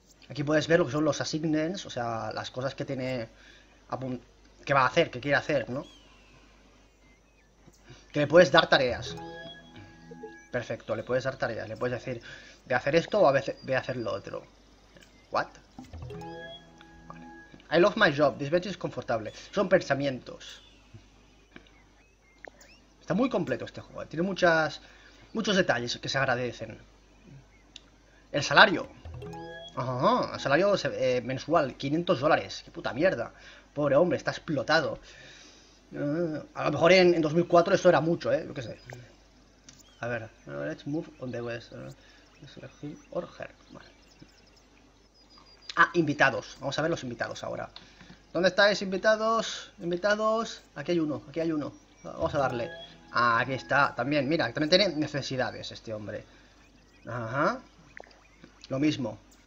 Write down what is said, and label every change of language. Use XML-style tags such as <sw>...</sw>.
<es>Aquí puedes ver lo que son los assignments, o sea, las cosas que tiene que va a hacer, que quiere hacer, ¿no? Que le puedes dar tareas. Perfecto, le puedes dar tareas, le puedes decir, voy a hacer esto o voy a hacer lo otro.</es> <en>What? I love my job, this bench is comfortable.</en> <es>Son pensamientos. Está muy completo este juego, tiene muchos detalles que se agradecen. El salario. Ajá, salario mensual, $500. Qué puta mierda. Pobre hombre, está explotado. A lo mejor en 2004 esto era mucho, ¿eh? Yo qué sé. A ver,</es> <en>let's move on the west. Selecting or her.</en> <es>Vale. Ah, invitados. Vamos a ver los invitados ahora. ¿Dónde estáis, invitados? Invitados. Aquí hay uno, aquí hay uno. Vamos a darle. Ah, aquí está. También, mira, también tiene necesidades este hombre. Ajá. Lo mismo.</es>